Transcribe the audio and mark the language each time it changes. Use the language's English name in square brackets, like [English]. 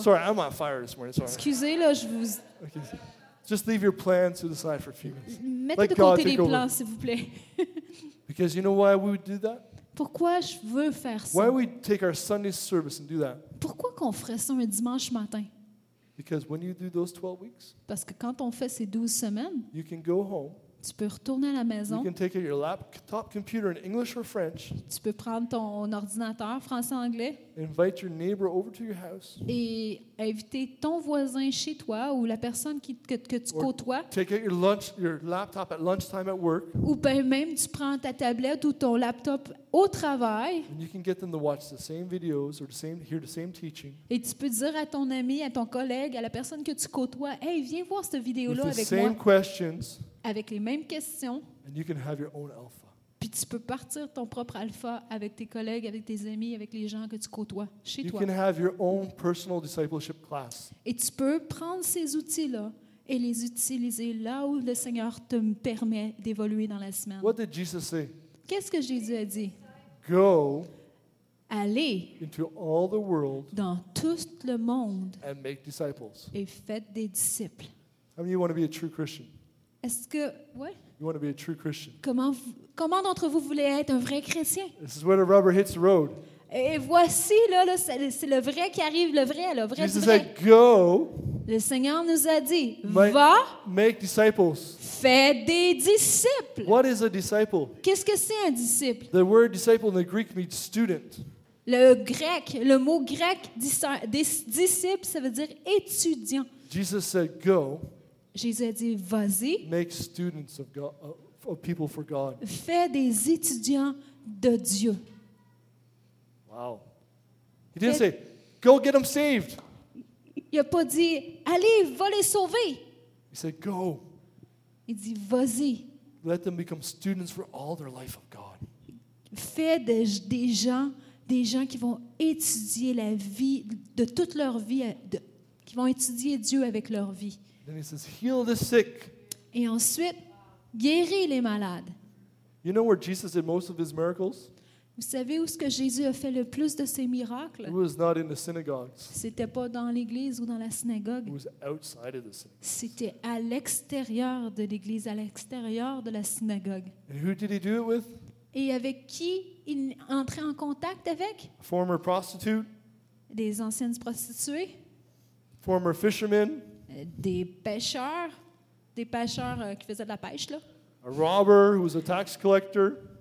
[English] Sorry, I'm on fire this morning. Sorry. [French] Excusez, là, je vous... [English] Okay. Just leave your plans to the side for a few minutes. [French] Mettez de côté les plans, s'il vous plaît. [English] Because you know why we would do that? [French] Pourquoi je veux faire ça? [English] Why we take our Sunday service and do that? [French] Pourquoi qu'on ferait ça un dimanche matin? [English] Because when you do those 12 weeks, [French] parce que quand on fait ces 12 semaines, [English] you can go home. [French] Tu peux retourner à la maison. [English] You can take your laptop computer in English or French. [French] Tu peux prendre ton ordinateur français anglais. [English] Invite your neighbor over to your house. [French] Et inviter ton voisin chez toi ou la personne que tu côtoies. [English] Take out your laptop at lunchtime at work. [French] Ou ben même tu prends ta tablette ou ton laptop au travail. [English] And you can get them to watch the same videos or hear the same teaching. [French] Et tu peux dire à ton ami, à ton collègue, à la personne que tu côtoies, hey, viens voir cette vidéo là avec moi. [English] The same questions. [French] Avec les mêmes questions. [English] And you can have your own alpha. [French] Puis tu peux partir ton propre alpha avec tes collègues, avec tes amis, avec les gens que tu côtoies chez [English] you [French] toi. [English] Can have your own personal discipleship class. [French] Et tu peux prendre ces outils-là et les utiliser là où le Seigneur te permet d'évoluer dans la semaine. [English] What did Jesus say? [French] Qu'est-ce que Jésus a dit? [English] Go. [French] Allez [English] into all the world [French] dans tout le monde [English] and make disciples. [French] Et faites des disciples. [English] How many of you want to be a true Christian? [French] Est-ce que, ouais? [English] You want to be a true Christian. [French] Comment d'entre vous voulez être un vrai chrétien? [English] This is where the rubber hits the road. [French] Et voici là c'est le vrai qui arrive, le vrai. [English] Jesus said, go. [French] Le Seigneur nous a dit, [English] make disciples. [French] Fais des disciples. [English] What is a disciple? [French] Qu'est-ce que c'est un disciple? [English] The word disciple in the Greek means student. [French] Le mot grec disciple, ça veut dire étudiant. [English] Jesus said, go. [French] Jésus a dit, vas-y. [English] Make students of God, of people for God. [French] Fais des étudiants de Dieu. [English] Wow. He didn't say, go get them saved. [French] Il a pas dit, allez, va les sauver. [English] He said, go. [French] Il dit, vas-y. [English] Let them become students for all their life of God. [French] Fais des gens qui vont étudier la vie de toute leur vie, qui vont étudier Dieu avec leur vie. [English] Then he says, heal the sick. [French] Et ensuite, guéris les malades. [English] You know where Jesus did most of his miracles? [French] Vous savez où est-ce que Jésus a fait le plus de ses miracles? [English] It was not in the synagogues. [French] C'était pas dans l'église ou dans la synagogue. [English] It was outside of the synagogue. [French] C'était à l'extérieur de l'église, à l'extérieur de la synagogue. [English] And who did he do it with? [French] Et avec qui il entrait en contact avec? [English] A former prostitute. [French] Des anciennes prostituées. [English] Former fishermen. [French] Des pêcheurs. Des pêcheurs qui faisaient de la pêche, là. [English] A robber who was a tax collector.